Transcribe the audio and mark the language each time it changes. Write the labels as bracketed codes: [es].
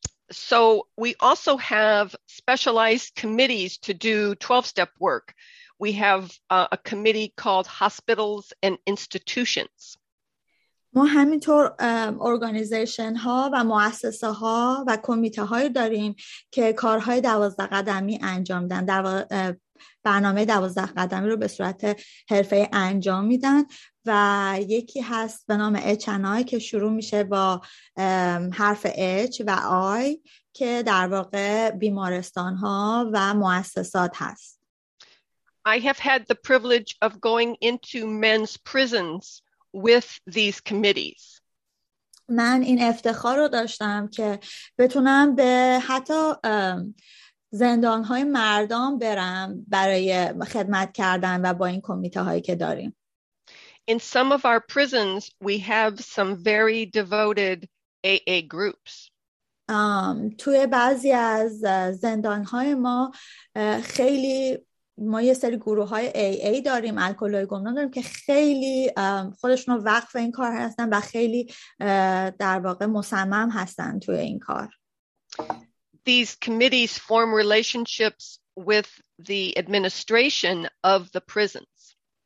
[en] So we also have specialized committees to do 12-step work. We have a committee called Hospitals and Institutions. [fa] ما همینطور ارگانیزیشن ها و مؤسسه ها و کمیته های داریم که کارهای 12 قدمی انجام دن. برنامه 12 قدمی رو به صورت حرفه انجام میدن و یکی هست به نام H and I که شروع میشه با حرف H و I که در واقع بیمارستان ها و مؤسسات هست. [en] I have had the privilege of going into men's prisons with these committees. [fa] من این افتخار رو داشتم که بتونم به حتی زندان‌های مردان برم برای خدمت کردن و با این کمیته‌هایی که داریم. [en] In some of our prisons we have some very devoted AA groups. [fa] توی بعضی از زندان‌های ما خیلی ما یه سری گروه‌های AA داریم، الکل‌های گمنام داریم که خیلی خودشون رو وقف این کار هستن و خیلی در واقع مصمم هستن توی این کار. [en] These committees form relationships with the administration of the prisons.